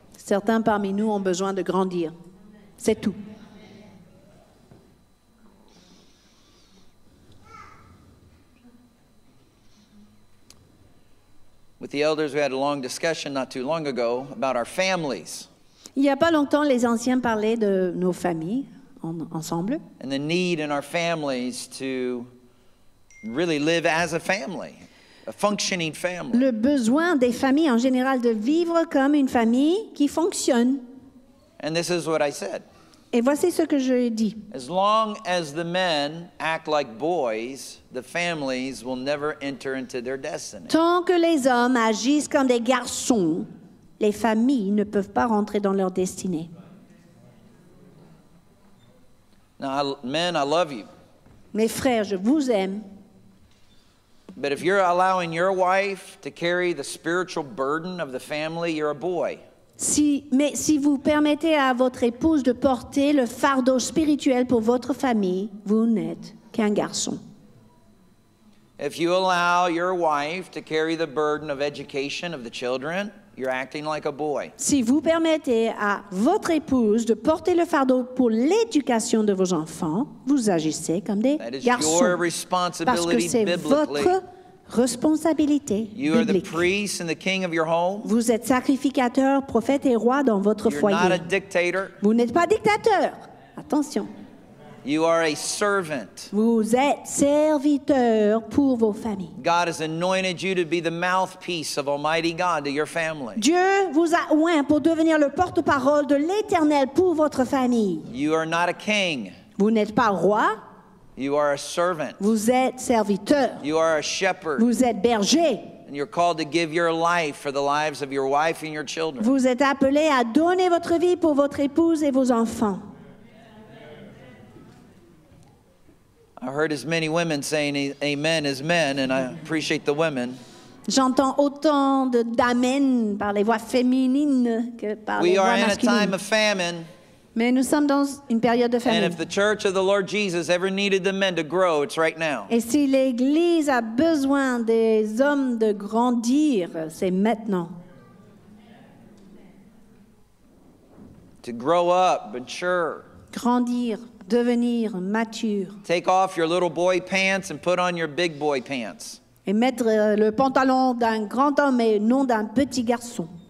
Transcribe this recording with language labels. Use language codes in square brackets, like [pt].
[fr] Certains parmi nous ont besoin de grandir. C'est tout. [en] With the elders, we had a long discussion not too long ago about our families. [fr] Il n'y a pas longtemps, les anciens parlaient de nos familles. Ensemble. [en] And the need in our families to really live as a family, functioning family. [fr] Le besoin des familles en général de vivre comme une famille qui fonctionne. [en] And this is what I said. [fr] Et voici ce que je dis. [en] As long as the men act like boys, the families will never enter into their destiny. [fr] Tant que les hommes agissent comme des garçons, les familles ne peuvent pas rentrer dans leur destinée. [en] Now, men, I love you. [fr] Mes frères, je vous aime. [en] But if you're allowing your wife to carry the spiritual burden of the family, you're a boy. [fr] Si vous permettez à votre épouse de porter le fardeau spirituel pour votre famille, vous n'êtes qu'un garçon. [en] If you allow your wife to carry the burden of education of the children, you're acting like a boy. [fr] Si vous permettez à votre épouse de porter le fardeau pour l'éducation de vos enfants, vous agissez comme des garçons. Parce que c'est votre responsabilité biblique. [en] You are the priest and the king of your home. [fr] Vous êtes sacrificateur, prophète et roi dans votre foyer. [en] You're not a dictator. [fr] Vous n'êtes pas dictateur. Attention. [en] You are a servant. [fr] Vous êtes serviteur pour vos familles. [en] God has anointed you to be the mouthpiece of Almighty God to your family. [fr] Dieu vous a oint pour devenir le porte-parole de l'Éternel pour votre famille. [en] You are not a king. [fr] Vous n'êtes pas roi. [en] You are a servant. [fr] Vous êtes serviteur. [en] You are a shepherd. [fr] Vous êtes berger. [en] And you're called to give your life for the lives of your wife and your children. [fr] Vous êtes appelé à donner votre vie pour votre épouse et vos enfants. [en] I heard as many women saying amen as men, and I appreciate the women. [fr] J'entends autant de d'amen par les voix féminines que par les voix masculines. [en] We are in a time of famine. [fr] Mais nous sommes dans une période de famine. [en] And if the church of the Lord Jesus ever needed the men to grow, it's right now. [fr] Et si l'Église a besoin des hommes de grandir, c'est maintenant. [en] To grow up, mature. [fr] Grandir. Devenir mature. [en] Take off your little boy pants and put on your big boy pants. [fr] Et mettre le pantalon d'un grand homme et non d'un petit garçon.